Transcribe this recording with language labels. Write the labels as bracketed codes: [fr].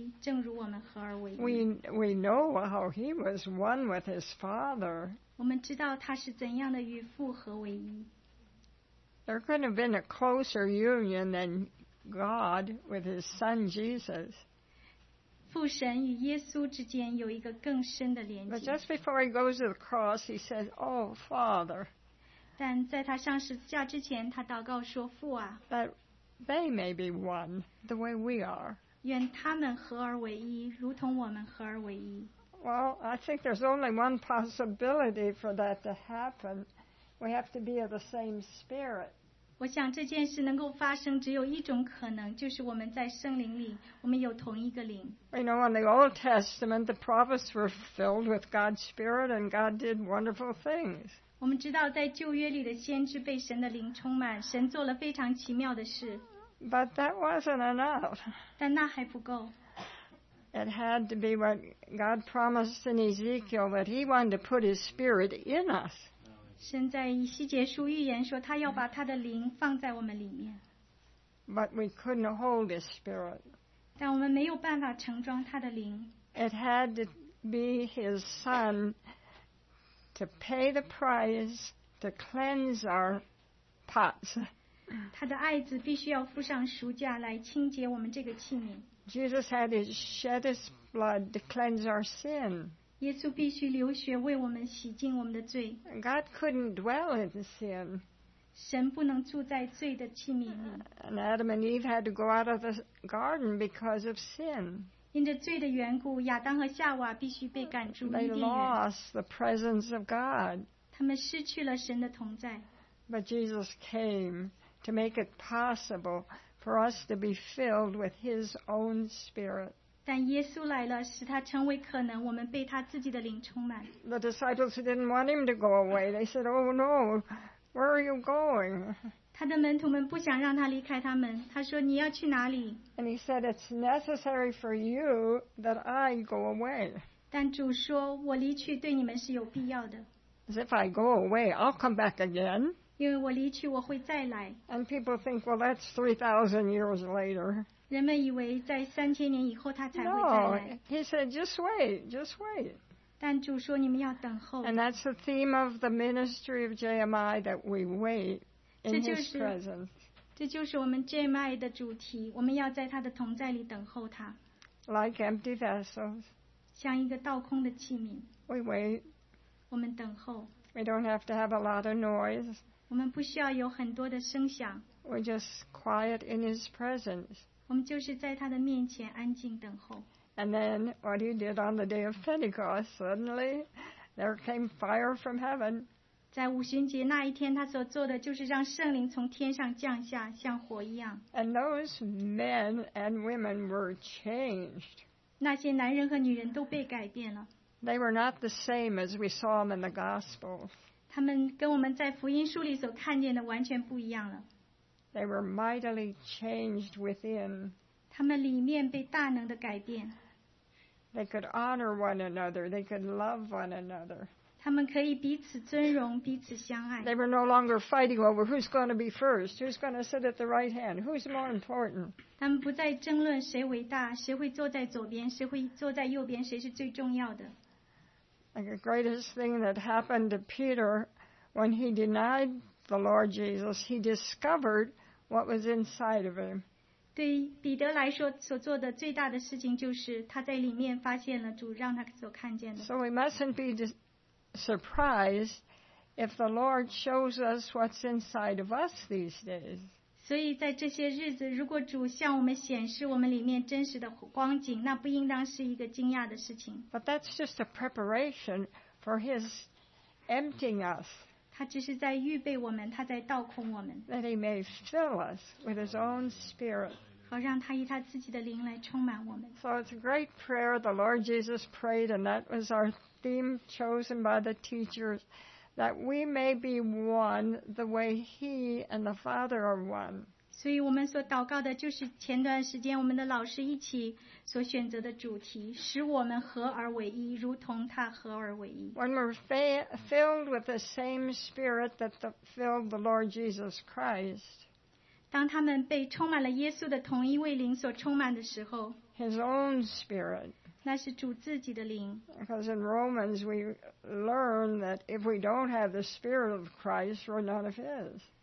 [zh] 主耶稣在约翰福音十七章里祷告说，使他们合而为一，正如我们合而为一。 [en] We know how He was one with His Father. [zh] 我们知道他是怎样的与父合为一。 [en] There couldn't have been a closer union than God with His Son Jesus. [zh] 父神与耶稣之间有一个更深的连接。 [en] But just before he goes to the cross, he says, "Oh, Father." [zh] 但在他上十字架之前，他祷告说：“父啊。 [en] ”But they may be one the way we are. [zh] 愿他们合而为一，如同我们合而为一。 [en] Well, I think there's only one possibility for that to happen. We have to be of the same spirit. [zh] 我想这件事能够发生只有一种可能，就是我们在圣灵里，我们有同一个灵。 [en] You know, in the Old Testament, the prophets were filled with God's spirit and God did wonderful things. [zh] 我们知道在旧约里的先知被神的灵充满，神做了非常奇妙的事。 [en] But that wasn't enough. [zh] 但那还不够。 [en] It had to be what God promised in Ezekiel that he wanted to put his spirit in us. [zh] 神在以西结书预言说他要把他的灵放在我们里面。 [en] But we couldn't hold his spirit. [zh] 但我们没有办法盛装他的灵。 [en] It had to be his son to pay the price to cleanse our pots. [zh] 他的爱子必须要付上赎价来清洁我们这个器皿。 [en] Jesus had to shed his blood to cleanse our sin. [zh] 耶稣必须流血为我们洗净我们的罪。 [en] God couldn't dwell in sin. [zh] 神不能住在罪的器皿里。 [en] And Adam and Eve had to go out of the garden because of sin. [zh] 因着罪的缘故，亚当和夏娃必须被赶出伊甸园。 [en] They lost the presence of God. [zh] 他们失去了神的同在。 [en] But Jesus came to make it possible for us to be filled with His own Spirit. [zh] 但耶稣来了，使他成为可能，我们被他自己的灵充满。 [en] The disciples didn't want him to go away. They said, "Oh no, where are you going?" [zh] 他的门徒们不想让他离开他们。他说，你要去哪里？ [en] And he said, "It's necessary for you that I go away." [zh] 但主说，我离去对你们是有必要的。 [en] As if I go away, I'll come back again. [zh] 因为我离去，我会再来。 [en] And people think, well, that's 3,000 years later. [zh] 人们以为在三千年以后他才会再来。 [en] No, he said, just wait, just wait. [zh] 但主说你们要等候。 [en] And that's the theme of the ministry of JMI, that we wait in his presence. [zh] 这就是我们 JMI 的主题，我们要在他的同在里等候他。 [en] Like empty vessels. [zh] 像一个倒空的器皿。 [en] We wait. [zh] 我们等候。 [en] We don't have to have a lot of noise. [zh] 我们不需要有很多的声响。 [en] We're just quiet in His presence. [zh] 我们就是在他的面前安静等候。 [en] And then what He did on the day of Pentecost, suddenly there came fire from heaven. [zh] 在五旬节那一天，他所做的就是让圣灵从天上降下，像火一样。 [en] And those men and women were changed. [zh] 那些男人和女人都被改变了。 [en] They were not the same as we saw them in the Gospels. [zh] 他们跟我们在福音书里所看见的完全不一样了。 [en] They were mightily changed within. [zh] 他们里面被大能的改变。 [en] They could honor one another. They could love one another. [zh] 他们可以彼此尊荣，彼此相爱。 [en] They were no longer fighting over who's going to be first, who's going to sit at the right hand, who's more important. [zh] 他们不再争论谁伟大，谁会坐在左边，谁会坐在右边，谁是最重要的。 [en] Like the greatest thing that happened to Peter when he denied the Lord Jesus, he discovered what was inside of him. [zh] 对彼得来说，所做的最大的事情就是他在里面发现了主让他所看见的。 [en] So we mustn't be surprised if the Lord shows us what's inside of us these days. [zh] 所以在这些日子，如果主向我们显示我们里面真实的光景，那不应当是一个惊讶的事情。 [en] But that's just a preparation for His emptying us. [zh] 他只是在预备我们，他在倒空我们。 [en] That He may fill us with His own Spirit. [zh] 好让他以他自己的灵来充满我们。 [en] So it's a great prayer the Lord Jesus prayed, and that was our theme chosen by the teachers, that we may be one the way He and the Father are one. [zh] 所以我们所祷告的就是前段时间我们的老师一起所选择的主题，使我们合而为一，如同他合而为一。 [en] When we're filled with the same Spirit that filled the Lord Jesus Christ, [zh] 当他们被充满了耶稣的同一位灵所充满的时候， [en] His own Spirit, [zh] 那是主自己的灵。 [en] Because in Romans we learn that if we don't have the Spirit of Christ, we're none of His.